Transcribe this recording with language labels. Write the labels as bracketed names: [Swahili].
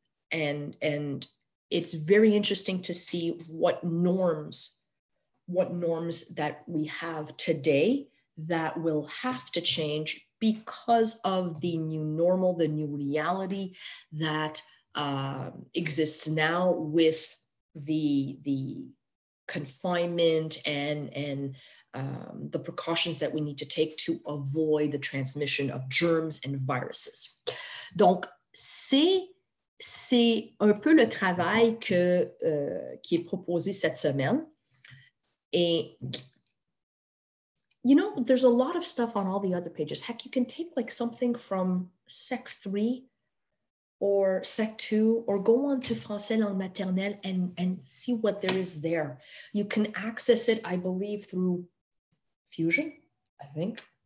[English] And it's very interesting to see what norms that we have today that will have to change because of the new normal, the new reality that exists now with the confinement and the precautions that we need to take to avoid the transmission of germs and viruses. [French] Donc, c'est un peu le travail qui est proposé cette semaine. [English] And, you know, there's a lot of stuff on all the other pages. Heck, you can take like something from Sec 3 or sec two, or go on to Français Langue Maternelle and see what there is there. You can access it, I believe, through Fusion, I think.